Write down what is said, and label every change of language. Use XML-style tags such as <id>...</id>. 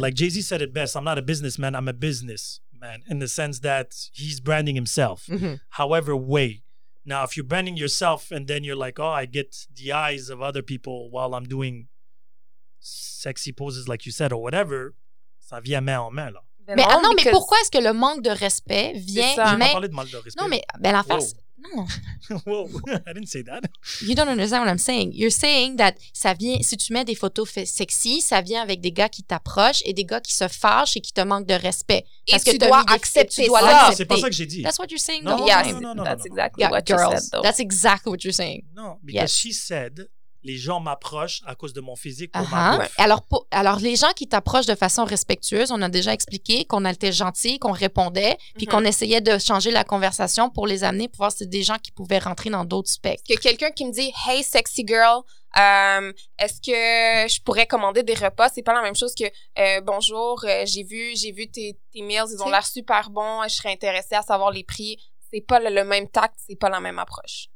<en>Like, Jay-Z said it best, I'm not a businessman, I'm a business. Man, in the sense that he's branding himself, mm-hmm. however way. Now, if you're branding yourself and then you're like, oh, I get the eyes of other people while I'm doing sexy poses, like you said, or whatever,</en> <fr>ça vient main en main, là. Mais non, mais pourquoi est-ce que le manque de respect vient... J'ai pas parlé de manque de respect. Non, mais ben, la face... Wow. No.</fr> <en>Whoa, I didn't say that. You don't understand what I'm saying. You're saying that</en> <fr>ça vient, si tu mets des photos sexy, ça vient avec des gars qui t'approchent et des gars qui se fâchent et qui te manquent de respect. Et parce que tu dois accepter ça. Non, c'est pas ça que j'ai dit.</fr> <en>That's what you're saying. No, yeah, that's exactly what you said, though. That's exactly what you're saying. No, because she said,</en> <fr>les gens m'approchent à cause de mon physique. Alors, les gens qui t'approchent de façon respectueuse, on a déjà expliqué qu'on était gentils, qu'on répondait, puis qu'on essayait de changer la conversation pour les amener, pour voir si c'était des gens qui pouvaient rentrer dans d'autres spectres. Que quelqu'un qui me dit «</fr> <en>Hey, sexy girl,</en> <fr>est-ce que je pourrais commander des repas? » C'est pas la même chose que « Bonjour, j'ai vu tes meals, ils ont l'air super bons, je serais intéressée à savoir les prix. » C'est pas le même tact, c'est pas la même approche.</fr>